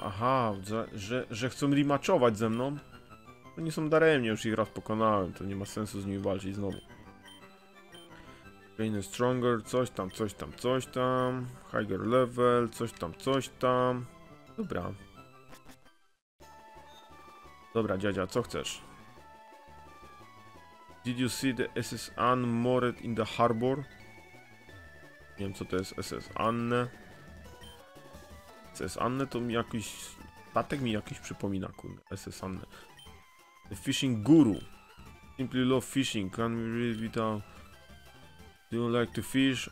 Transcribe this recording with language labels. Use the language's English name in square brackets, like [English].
[Polish] Aha, że chcą rematchować ze mną? Oni są daremni, już ich raz pokonałem, to nie ma sensu z nimi walczyć znowu. [English] Trainer Stronger, [Polish] coś tam, coś tam, coś tam. [English] Higher level, [Polish] coś tam, coś tam. Dobra. Dobra, dziadzia, co chcesz? [English] Did you see the SS Anne moored in the harbor? [Polish] Nie wiem, co to jest SS Anne. SS Anne to mi jakiś... Statek mi jakiś przypomina, kurde. [English] SS Anne. The fishing guru. Simply love fishing. Can we read without... Do you like to fish?